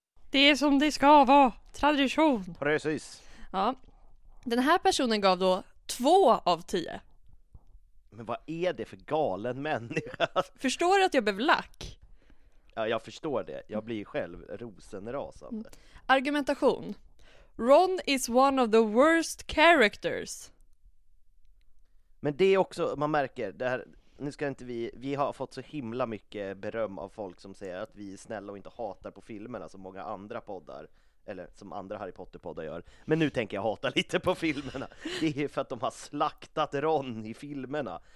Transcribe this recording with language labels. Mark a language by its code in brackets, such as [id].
[sv] Det är som det ska vara. Tradition. Precis. Ja. Den här personen gav då 2 av 10. Men vad är det för galen människa? Förstår du att jag blev lack? Ja, jag förstår det. Jag blir själv rosenrasande. Argumentation. [en] Ron is one of the worst characters. [sv] Men det är också, man märker, det här, nu ska inte vi har fått så himla mycket beröm av folk som säger att vi är snälla och inte hatar på filmerna som många andra poddar, eller som andra Harry Potter-poddar gör. Men nu tänker jag hata lite på filmerna. Det är för att de har slaktat Ron i filmerna.